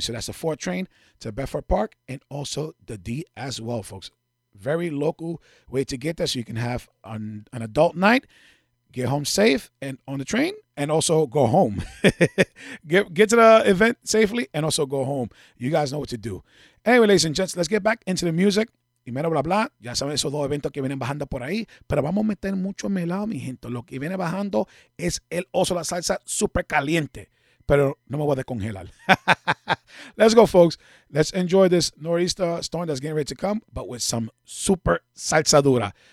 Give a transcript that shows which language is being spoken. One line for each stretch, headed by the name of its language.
English: So that's the 4 train to Bedford Park and also the D as well, folks. Very local way to get there, so you can have an adult night, get home safe and on the train, and also go home. get to the event safely and also go home. You guys know what to do. Anyway, ladies and gents, let's get back into the music.
Spanish: Y mero bla bla, ya saben esos dos eventos que vienen bajando por ahí, pero vamos a meter mucho melado, mi gente. Lo que viene bajando es el oso, la salsa super caliente, pero no me voy a descongelar.
English: Let's go, folks. Let's enjoy this nor'easter storm that's getting ready to come, but with some super salsa dura.